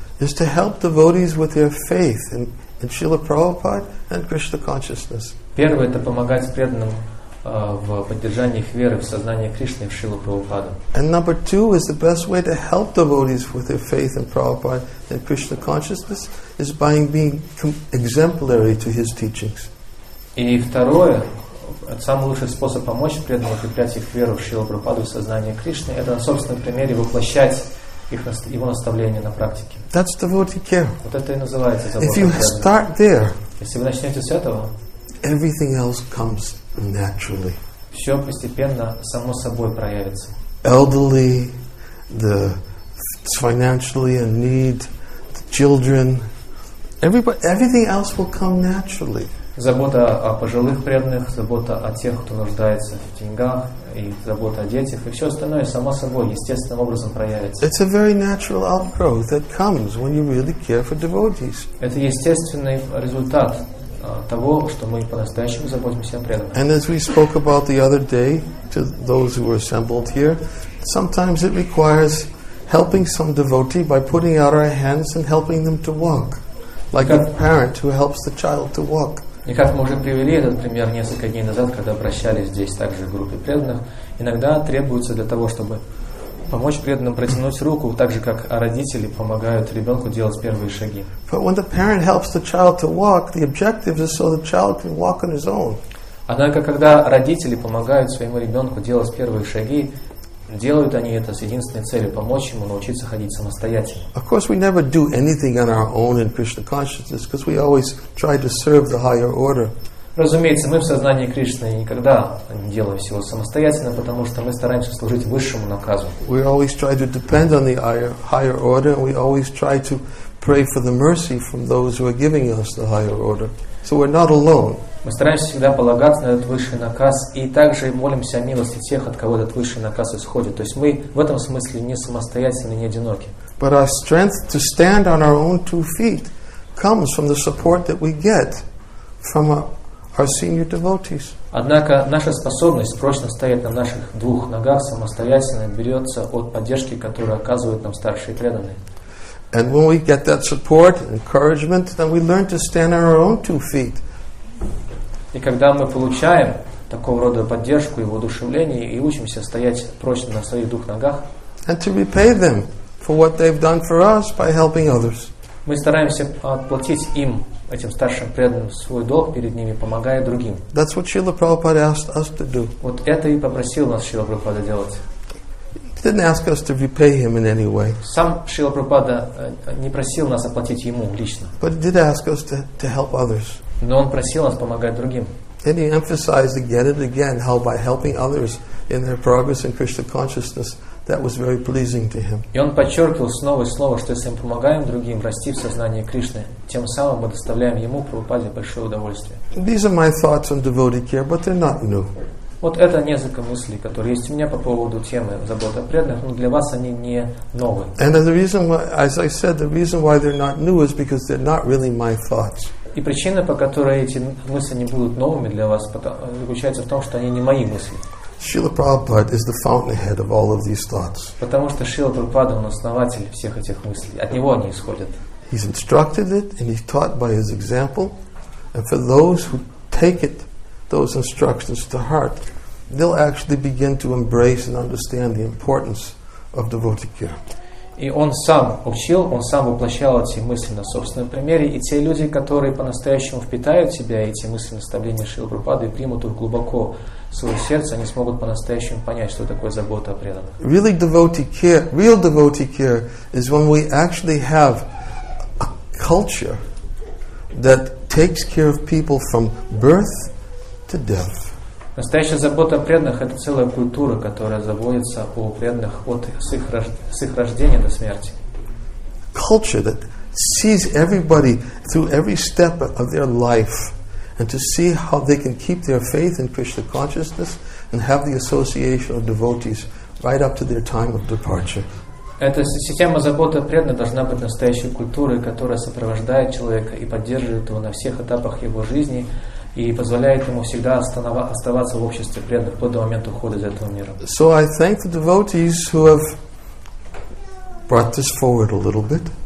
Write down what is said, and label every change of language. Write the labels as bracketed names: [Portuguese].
[English] is to help devotees with their faith in Srila Prabhupada and Krishna consciousness. [Russian] Первое — это помогать преданным в поддержании их веры в сознание Кришны и в Шрилу Прабхупаду. [English] And number two is the best way to help devotees with their faith in Prabhupada and Krishna consciousness is by being exemplary to his teachings. [Russian] И второе, самый лучший способ помочь преданным укреплять их веру в Шрилу Прабхупаду и в сознание Кришны — это на собственном примере воплощать их, его наставления на практике. [English] That's devotee care. [Russian] Вот это и называется забота. [English] If you start there, [Russian] если вы начнете с этого, [English] everything else comes naturally. [Russian] Все постепенно само собой проявится. [English] Elderly, the financially in need, the children, everything else will come naturally. [Russian] Забота о пожилых преданных, забота о тех, кто нуждается в деньгах, и забота о детях, и все остальное само собой естественным образом проявится. [English] It's a very natural outgrowth that comes when you really care for devotees. [Russian] Это естественный результат того, что мы по-настоящему заботимся о преданных. [English] And as we spoke about the other day to those who were assembled here, sometimes it requires helping some devotee by putting out our hands and helping them to walk, like a parent who helps the child to walk. [Russian] И как мы уже привели этот пример несколько дней назад, когда обращались здесь также к группе преданных, иногда требуется для того, чтобы помочь преданным протянуть руку, так же как родители помогают ребенку делать первые шаги. [English] But when the parent helps the child to walk, the objective is so the child can walk on his own. [Russian] Однако когда родители помогают своему ребенку делать первые шаги, делают они это с единственной целью помочь ему научиться ходить самостоятельно. [English] Of course, we never do anything on our own in Krishna consciousness, because we always try to serve the higher order. [Russian] Разумеется, мы в сознании Кришны никогда не делаем всего самостоятельно, потому что мы стараемся служить высшему наказу. [English] We always try to depend on the higher order, and we always try to pray for the mercy from those who are giving us the higher order. So we're not alone. [Russian] Мы стараемся всегда полагаться на этот высший наказ и также молимся о милости тех, от кого этот высший наказ исходит. То есть мы в этом смысле не самостоятельны, не одиноки. [English] But our strength to stand on our own two feet comes from the support that we get from our senior devotees. [Russian] Однако наша способность прочно стоять на наших двух ногах самостоятельно берется от поддержки, которую оказывают нам старшие преданные. [English] And when we get that support, encouragement, then we learn to stand on our own two feet. [Russian] И когда мы получаем такого рода поддержку и воодушевление, и учимся стоять прочно на своих двух ногах, [English] and to repay them for what they've done for us by helping others. [Russian] Мы стараемся отплатить им, этим старшим преданным, свой долг перед ними, помогая другим. [English] That's what Srila Prabhupada asked us to do. [Russian] Вот это и попросил нас Шрила Прабхупада делать. [English] He didn't ask us to repay him in any way. [Russian] Сам Шрила Прабхупада не просил нас оплатить ему лично. [English] But he did ask us to help others. [Russian] Но он просил нас помогать другим. [English] And he emphasized again and again how by helping others in their progress in Krishna consciousness, that was very pleasing to him. [Russian] И он подчеркивал снова и снова, что если мы помогаем другим расти в сознании Кришны, тем самым мы доставляем ему, Прабхупаде, большое удовольствие. [English] These are my thoughts on devotee care, but they're not new. [Russian] Вот это несколько мыслей, которые есть у меня по поводу темы заботы о преданных, но для вас они не новые. [English] And the reason why, as I said, the reason why they're not new is because they're not really my thoughts. [Russian] И причина, по которой эти мысли не будут новыми для вас, заключается в том, что они не мои мысли. [English] Srila Prabhupada is the fountainhead of all of these thoughts. [Russian] Потому что Шрила Прабхупада, он основатель всех этих мыслей. От него они исходят. [English] He's instructed it and he's taught by his example. And for those who take it, those instructions to heart, they'll actually begin to embrace and understand the importance of devotee care. [Russian] И он сам учил, он сам воплощал эти мысли на собственном примере, и те люди, которые по-настоящему впитают в себя эти мысли, наставления Шрилы Прабхупады, и примут их глубоко в свое сердце, они смогут по-настоящему понять, что такое забота о преданных. [English] Really devotee care, real devotee care is when we actually have a culture that takes care of people from birth to death. [Russian] Настоящая забота о преданных — это целая культура, которая заботится о преданных от с их рождения до смерти. [English] Culture that sees everybody through every step of their life and to see how they can keep their faith in Krishna consciousness and have the association of devotees right up to their time of departure. [Russian] Эта система заботы о преданных должна быть настоящей культурой, которая сопровождает человека и поддерживает его на всех этапах его жизни, и позволяет ему всегда оставаться в обществе преданных до момента ухода из этого мира. [English] So I thank the devotees who have brought this forward a little bit.